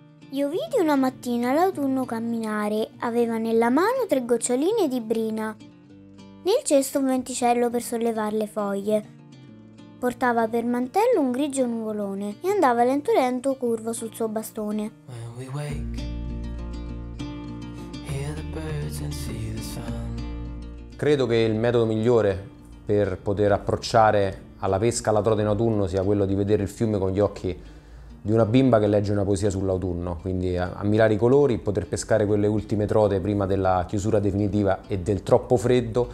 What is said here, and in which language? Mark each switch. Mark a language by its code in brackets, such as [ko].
[it] Io vidi una mattina l'autunno camminare, aveva nella mano tre goccioline di brina, nel cesto un venticello per sollevar le foglie. Portava per mantello un grigio nuvolone e andava lento lento curvo sul suo bastone. [en] When we wake, hear the birds and see the sun. [it] Credo che il metodo migliore per poter approcciare alla pesca alla trota in autunno sia quello di vedere il fiume con gli occhi di una bimba che legge una poesia sull'autunno, quindi ammirare i colori, poter pescare quelle ultime trote prima della chiusura definitiva e del troppo freddo.